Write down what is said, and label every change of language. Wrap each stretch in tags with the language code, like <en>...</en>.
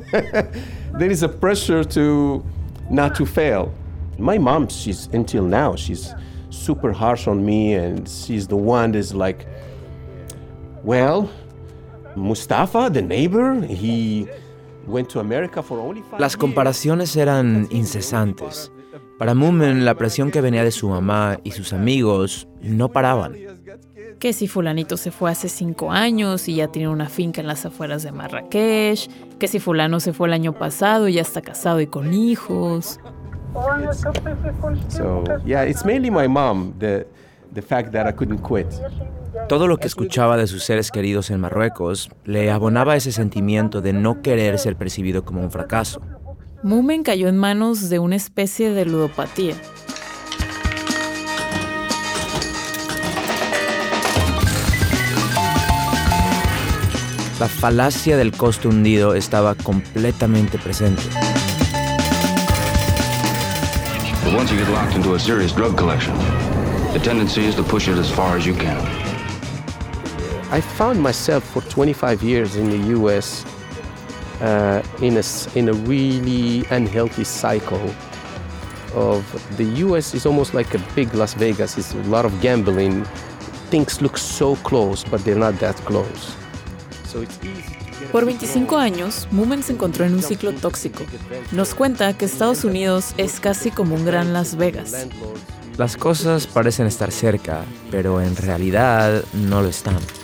<en>There is a pressure to not to fail. My mom, she's super harsh on me, and she's the one that's like, well, Mustafa, the neighbor, he went to America for only 5 years.</en> <es>Las comparaciones eran incesantes. Para Moomin, la presión que venía de su mamá y sus amigos no paraban. Que si fulanito se fue hace 5 años y ya tiene una finca en las afueras de Marrakech. Que si fulano se fue el año pasado y ya está casado y con hijos.</es> <en>So, yeah, it's mainly my mom, the fact that I couldn't quit.</en> <es>Todo lo que escuchaba de sus seres queridos en Marruecos le abonaba ese sentimiento de no querer ser percibido como un fracaso. Moomin cayó en manos de una especie de ludopatía. La falacia del costo hundido estaba completamente presente.</es> <en>But once you get locked into a serious drug collection, the tendency is to push it as far as you can. I found myself for 25 years in the U.S. In a really unhealthy cycle of the U.S. is almost like a big Las Vegas. It's a lot of gambling. Things look so close, but they're not that close. So it's easy.</en> <es>Por 25 años, Moomin se encontró en un ciclo tóxico. Nos cuenta que Estados Unidos es casi como un gran Las Vegas. Las cosas parecen estar cerca, pero en realidad no lo están.</es>